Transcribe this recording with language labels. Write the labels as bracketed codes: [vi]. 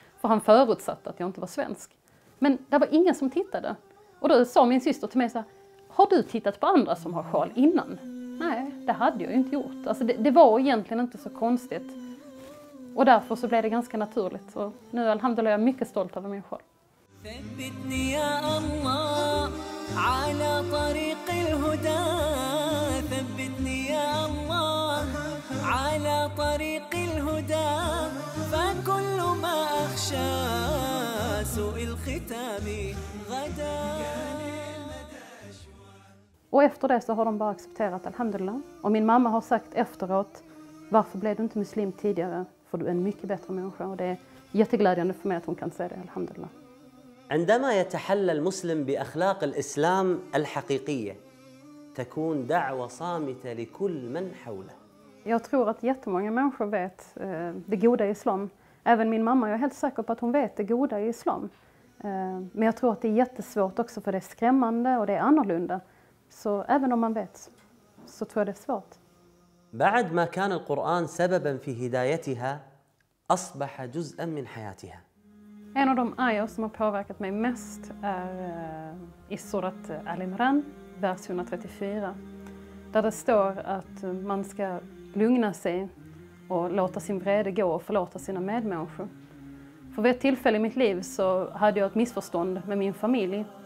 [sv] För han förutsatte att jag inte var svensk. Men det var ingen som tittade. Och då sa min syster till mig så här, har du tittat på andra som har sjal innan? Nej, det hade jag ju inte gjort. Alltså det var egentligen inte så konstigt. Och därför så blev det ganska naturligt. Och nu alhamdulillah är jag mycket stolt över min sjal. [ar] ثبتني يا الله على طريق الهدى ثبتني يا الله على طريق الهدى فكل ما اخشى سوء الختام غدا. [sv] Och efter det så har de bara accepterat alhamdulillah, och min mamma har sagt efteråt, varför blev du inte muslim tidigare, för du är en mycket bättre människa. Och det är jätteglädjande för mig att hon kan säga det, alhamdulillah. [ar] عندما يتحلى المسلم بأخلاق الإسلام الحقيقية تكون دعوة صامتة لكل من حوله. [sv] Jag tror att jättemånga människor vet det goda i islam. Även min mamma, jag är helt säker på att hon vet det goda i islam. Men jag tror att det är jättesvårt också, för det är skrämmande och det är annorlunda. Så även om man vet, så tror jag det är svårt. [ar] بعد ما كان القرآن سببا في هدايتها أصبح جزءا من حياتها. [sv] En av de ayah som har påverkat mig mest är i surat Al-Imran, vers 134. Där det står att man ska lugna sig och låta sin vrede gå och förlåta sina medmänniskor. För vid ett tillfälle i mitt liv så hade jag ett missförstånd med min familj.